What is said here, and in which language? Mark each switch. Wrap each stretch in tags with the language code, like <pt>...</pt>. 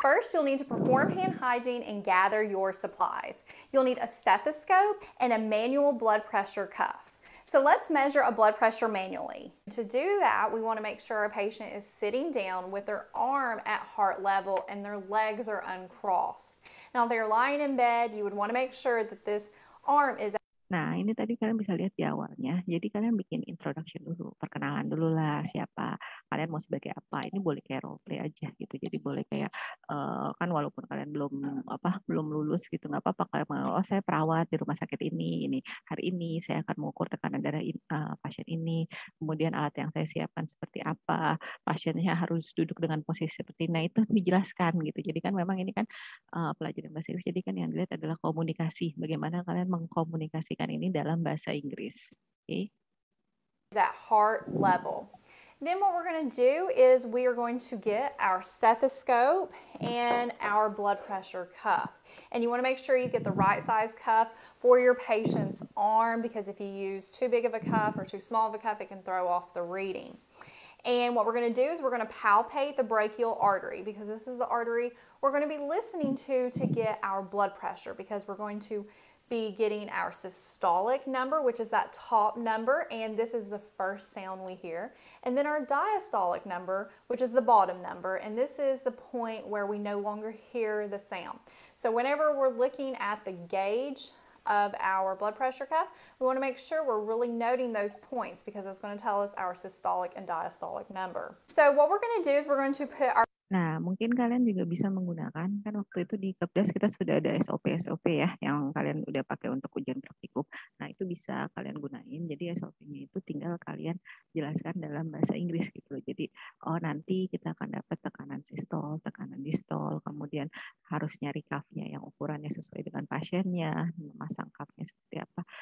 <en>First, you'll need to perform hand hygiene and gather your supplies. You'll need a stethoscope and a manual blood pressure cuff. So let's measure a blood pressure manually. To do that, we want to make sure our patient is sitting down with their arm at heart level and their legs are uncrossed. Now they're lying in bed, you would want to make sure that this arm is.</en> <id>Nah, ini tadi kalian bisa lihat di awalnya. Jadi kalian bikin introduction dulu, perkenalan dulu lah siapa kalian mau sebagai apa. Ini boleh kayak role play aja gitu. Jadi boleh kayak kan walaupun kalian belum lulus gitu, nggak apa-apa. Kalian mau, oh saya perawat di rumah sakit ini hari ini saya akan mengukur tekanan darah pasien ini. Kemudian alat yang saya siapkan seperti apa. Pasiennya harus duduk dengan posisi seperti ini. Nah, itu dijelaskan gitu. Jadi kan memang ini kan pelajaran bahasa Inggris. Jadi kan yang dilihat adalah komunikasi. Bagaimana kalian mengkomunikasi ini dalam bahasa Inggris.</id> <en>Okay. At heart level. Then what we're going to do is we are going to get our stethoscope and our blood pressure cuff. And you want to make sure you get the right size cuff for your patient's arm, because if you use too big of a cuff or too small of a cuff, it can throw off the reading. And what we're going to do is we're going to palpate the brachial artery, because this is the artery we're going to be listening to get our blood pressure, because we're going to be getting our systolic number, which is that top number, and this is the first sound we hear, and then our diastolic number, which is the bottom number, and this is the point where we no longer hear the sound. So whenever we're looking at the gauge of our blood pressure cuff, we want to make sure we're really noting those points, because it's going to tell us our systolic and diastolic number. So what we're going to do is we're going to put our.</en> <id>Nah, mungkin kalian juga bisa menggunakan, kan waktu itu di Kepdes kita sudah ada SOP-SOP ya, yang kalian udah pakai untuk ujian praktikum. Nah, itu bisa kalian gunain. Jadi SOP-nya itu tinggal kalian jelaskan dalam bahasa Inggris gitu. Jadi, oh nanti kita akan dapat tekanan sistol, tekanan distol, kemudian harus nyari cuff-nya yang ukurannya sesuai dengan pasiennya, memasang cuff-nya seperti apa.</id>